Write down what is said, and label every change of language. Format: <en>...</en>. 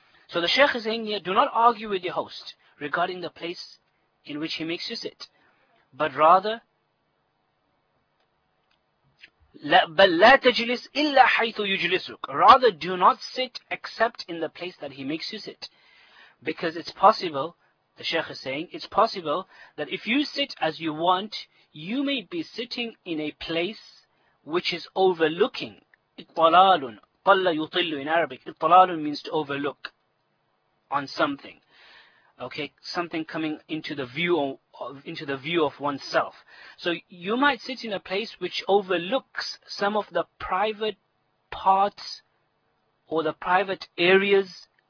<en>So the Sheikh is saying here, do not argue with your host regarding the place in which he makes you sit, but rather,</en> <ar>لَا تَجْلِسْ إِلَّا حَيْثُ يُجْلِسُكْ.</ar> <en>Rather, do not sit except in the place that he makes you sit. Because it's possible, the Sheikh is saying, it's possible that if you sit as you want, you may be sitting in a place which is overlooking.</en> <ar>إِطْطَلَالٌ قَلَّ يُطِلُّ</ar> <en>in Arabic. إِطْطَلَالٌ means to overlook on something. Okay, something coming into the view of oneself. So you might sit in a place which overlooks some of the private parts or the private areas.</en>